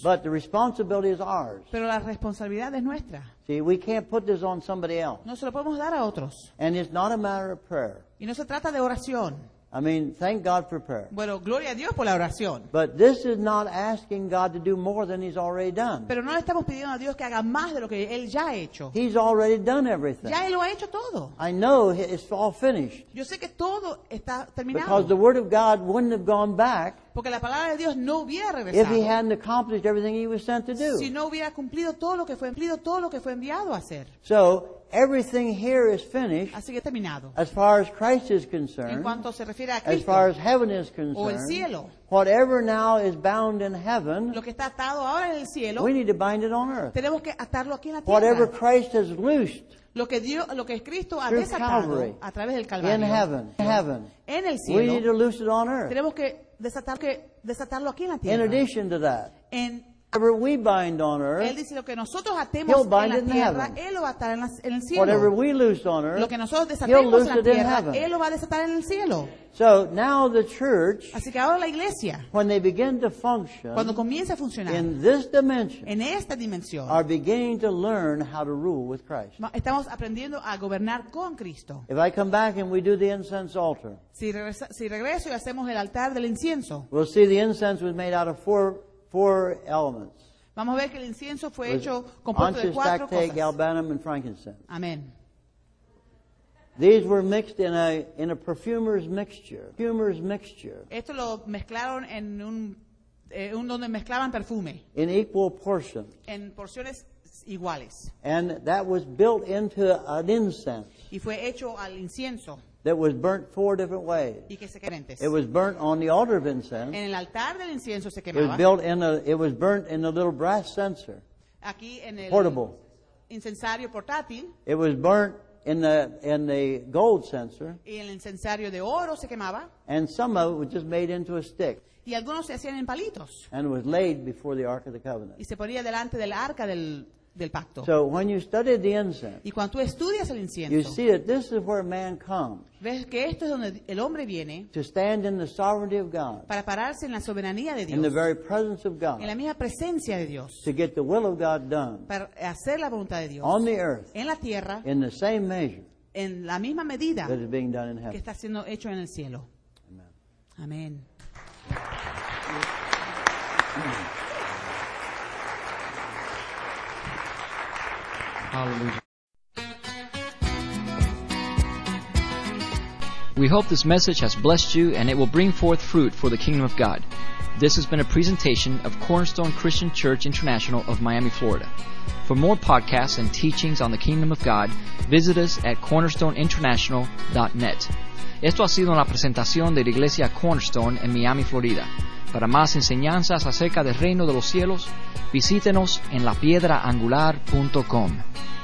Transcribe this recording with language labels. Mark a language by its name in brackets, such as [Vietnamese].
[English] But the responsibility is ours. [Spanish] Pero la responsabilidad es nuestra. [English] See, we can't put this on somebody else. [Spanish] No se lo podemos dar a otros. [English] And it's not a matter of prayer. [Spanish] Y no se trata de oración. [English] I mean, thank God for prayer. [Spanish] Bueno, gloria a Dios por la oración. [English] But this is not asking God to do more than he's already done. [Spanish] Pero no le estamos pidiendo a Dios que haga más de lo que él ya ha hecho. [English] He's already done everything. [Spanish] Ya él lo ha hecho todo. [English] I know it's all finished. [Spanish] Yo sé que todo está terminado. [English] Because the word of God wouldn't have gone back. [Spanish] Porque la palabra de Dios no hubiera regresado. [English] If he hadn't accomplished everything he was sent to do. [Spanish] Si no hubiera cumplido todo lo que fue cumplido todo lo que fue enviado a hacer. [English] So everything here is finished. [Spanish] Así que terminado. [English] As far as Christ is concerned. [Spanish] En cuanto se refiere a Cristo. [English] As far as heaven is concerned. [Spanish] O el cielo. [English] Whatever now is bound in heaven. [Spanish] Lo que está atado ahora en el cielo. [English] We need to bind it on earth. [Spanish] Tenemos que atarlo aquí en la tierra. [English] Whatever Christ has loosed. [Spanish] Lo que Dios, lo que Cristo ha desatado a través del Calvario. [English] In heaven. In heaven. [Spanish] En el cielo. [English] We need to loose it on earth. [Spanish] Tenemos que desatarlo aquí en la tierra. [English] In addition to that, whatever we bind on earth, [Spanish] él dice lo que nosotros atemos en la tierra, él lo va a atar en el cielo. [English] Whatever we loose on earth, [Spanish] lo que nosotros desatemos en la tierra, él lo va a desatar en el cielo. [English] So now the church, [Spanish] así que ahora la iglesia, [English] when they begin to function, [Spanish] cuando comienza a funcionar, [English] in this dimension, [Spanish] en esta dimensión, [English] are beginning to learn how to rule with Christ. [Spanish] Estamos aprendiendo a gobernar con Cristo. [English] If I come back and we do the incense altar, [Spanish] si regreso y hacemos el altar del incienso, [English] we'll see the incense was made out of four elements. [Spanish] Vamos a ver que el incienso fue hecho compuesto de cuatro cosas. [English] Galbanum and frankincense. [Spanish] Amén. [English] These were mixed in a perfumer's mixture. Perfumer's mixture. [Spanish] Esto lo mezclaron en un donde mezclaban perfume. [English] In equal portions. [Spanish] En porciones iguales. [English] And that was built into an incense. [Spanish] Y fue hecho al incienso. [English] That was burnt four different ways. [Spanish] Y que se quemantes. [English] It was burnt on the altar of incense. [Spanish] En el altar del incienso se quemaba. [English] It was built in a. It was burnt in a little brass censer. [Spanish] Aquí en el [English] portable. [Spanish] Incensario portátil. [English] It was burnt in the gold censer. [Spanish] Y el incensario de oro se quemaba. [English] And some of it was just made into a stick. [Spanish] Y algunos se hacían en palitos. [English] And it was laid before the ark of the covenant. [Spanish] Y se ponía delante del arca del pacto. [English] So when you study the incense, [Spanish] y cuando tú estudias el incienso, [English] you see that this is where man comes. [Spanish] Ves que esto es donde el hombre viene. [English] To stand in the sovereignty of God. [Spanish] Para pararse en la soberanía de Dios. [English] In the very presence of God. [Spanish] En la misma presencia de Dios. [English] To get the will of God done. [Spanish] Para hacer la voluntad de Dios. [English] On the earth. [Spanish] En la tierra. [English] In the same measure. [Spanish] En la misma medida. [English] That is being done in heaven. [Spanish] Que está siendo hecho en el cielo. [English] Amen. [Spanish] Amén. [English] We hope this message has blessed you and it will bring forth fruit for the kingdom of God. This has been a presentation of Cornerstone Christian Church International of Miami, Florida. For more podcasts and teachings on the kingdom of God, visit us at cornerstoneinternational.net. [Spanish] Esto ha sido una presentación de la Iglesia Cornerstone en Miami, Florida. Para más enseñanzas acerca del reino de los cielos, visítenos en lapiedraangular.com.